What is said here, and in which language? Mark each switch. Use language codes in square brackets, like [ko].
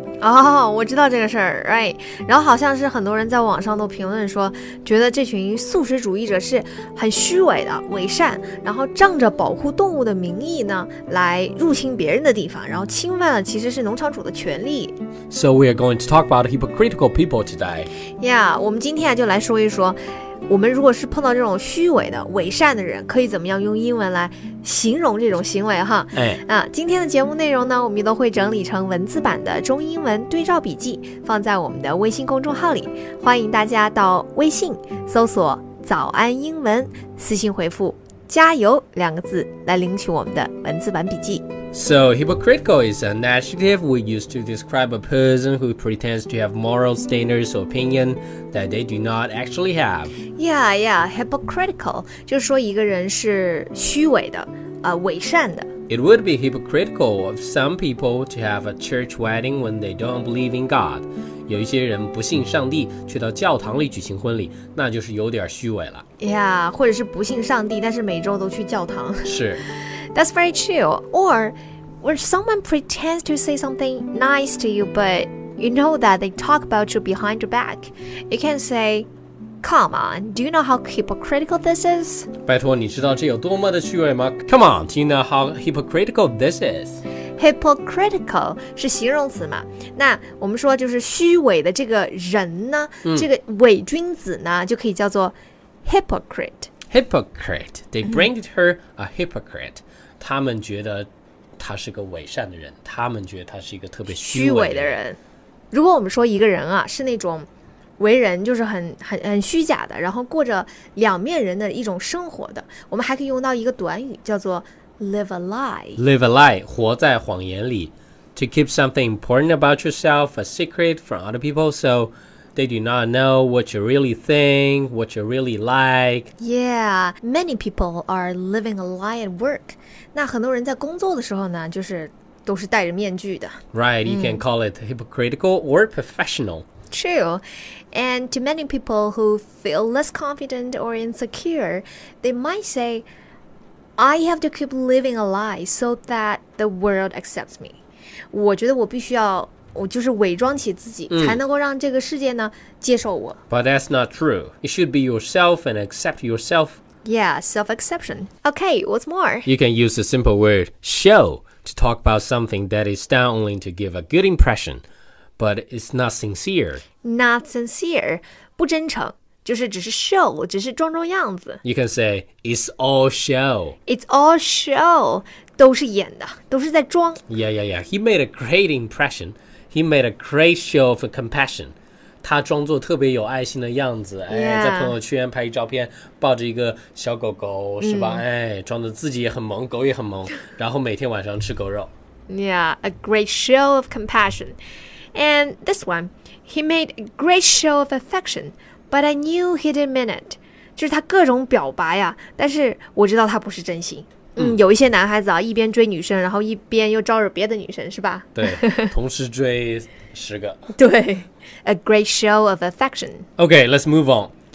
[zh] 我知道这个事儿 ，right？然后好像是很多人在网上都评论说，觉得这群素食主义者是很虚伪的、伪善，然后仗着保护动物的名义呢，来入侵别人的地方，然后侵犯了其实是农场主的权利。 [en] So we are going to talk about hypocritical people today. [zh] Yeah， 我们今天啊就来说一说，我们如果是碰到这种虚伪的、伪善的人，可以怎么样用英文来形容这种行为哈？今天的节目内容呢，我们都会整理成文字版的中英文对照笔记，放在我们的微信公众号里，欢迎大家到微信搜索“早安英文”，私信回复“加油”两个字来领取我们的文字版笔记。 [en] So hypocritical is an adjective we use to describe a person who pretends to have moral standards or opinion that they do not actually have. [zh] Yeah, yeah, hypocritical 就是说一个人是虚伪的，伪善的。 [en] It would be hypocritical of some people to have a church wedding when they don't believe in God. [zh] 有一些人不信上帝，却到教堂里举行婚礼，那就是有点虚伪了。 Yeah, 或者是不信上帝，但是每周都去教堂。是。 [en] That's very true. Or when someone pretends to say something nice to you, but you know that they talk about you behind your back, you can say, "Come on, do you know how hypocritical this is?" [zh] 拜托，你知道这有多么的虚伪吗？ [en] Come on, do you know how hypocritical this is? [zh] Hypocritical 是形容词嘛？那我们说就是虚伪的这个人呢，这个伪君子呢，就可以叫做 hypocrite. [en] Hypocrite. They branded her a hypocrite. [zh] 他们觉得他是个伪善的人，他们觉得他是一个特别虚伪的人。如果我们说一个人啊，是那种为人就是很虚假的，然后过着两面人的一种生活的，我们还可以用到一个短语叫做 live a lie. [en] Live a lie, [zh] 活在谎言里。 [en] To keep something important about yourself a secret from other people, so... They do not know what you really think, what you really like. Yeah, many people are living a lie at work. [zh] 那很多人在工作的时候呢，就是都是戴着面具的。 [en] Right, you can call it hypocritical or professional. True. And to many people who feel less confident or insecure, they might say, I have to keep living a lie so that the world accepts me. [zh] 我觉得我必须要我就是伪装起自己才能够让这个世界呢接受我。 [en] But that's not true. You should be yourself and accept yourself. Yeah, self-exception. Okay, what's more? You can use the simple word show to talk about something that is done only to give a good impression, but it's not sincere. Not sincere, [zh] 不真诚。就是只是 show, 只是装装样子。 [en] You can say, it's all show. It's all show. [zh] 都是演的，都是在装。 [en] Yeah, yeah, yeah. He made a great impression. He made a great show of compassion. [zh] 他装作特别有爱心的样子、 [en] yeah. [zh] 哎、在朋友圈拍一照片，抱着一个小狗狗，是吧、哎、装得自己也很萌，狗也很萌，然后每天晚上吃狗肉。 [en] Yeah, a great show of compassion. And this one, he made a great show of affection. But I knew he didn't mean it. [zh] 就是他各种表白呀，但是我知道他不是真心。有一些男孩子啊，一边追女生，然后一边又招惹别的女生，是吧？对，同时追十个。 [en] 对 ，a great show of affection. Okay, let's move on.